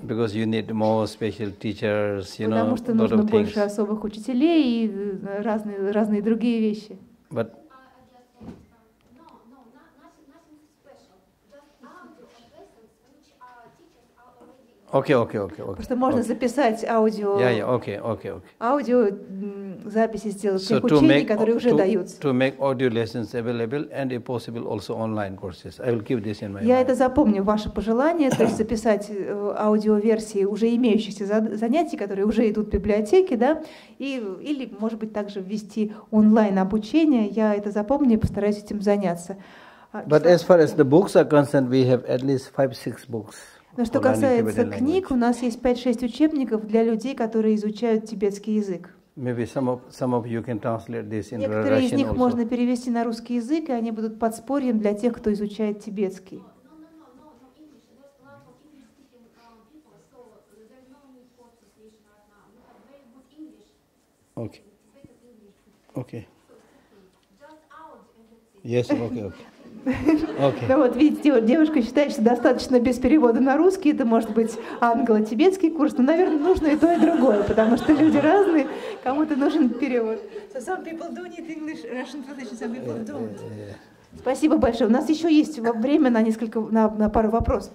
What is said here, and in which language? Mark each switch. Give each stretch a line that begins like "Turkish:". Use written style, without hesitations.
English: Because you need more special teachers, you know,
Russian: потому что нужно больше особых учителей и разные другие вещи.
English: But Okay.
Russian: Потому что можно записать аудио.
English: Yeah, okay.
Russian: Аудио записи сделать тех учений, которые уже даются.
English: To make audio lessons available and if possible also online courses. I will keep this in my mind.
Russian: Я это запомню, ваше пожелание, то есть записать аудиоверсии уже имеющихся занятий, которые уже идут в библиотеке, да, и или, может быть, также ввести онлайн обучение. Я это запомню и постараюсь этим заняться.
English: But as far as the books are concerned, we have at least 5-6 books.
Russian: Но что касается книг, у нас есть 5-6 учебников для людей, которые изучают тибетский язык.
English: Maybe some of you can translate this in Russian.
Russian: Некоторые из них
English: also.
Russian: Можно перевести на русский язык, и они будут подспорьем для тех, кто изучает тибетский.
English: Okay. Yes, okay. Okay.
Russian: Ну вот видите, девушка считает, что достаточно без перевода на русский, это может быть англо-тибетский курс, но, наверное, нужно и то, и другое, потому что люди разные, кому-то нужен перевод.
English: So some people do need English, Russian translation, some people don't. Yeah.
Russian: Спасибо большое. У нас еще есть время на несколько, на пару вопросов.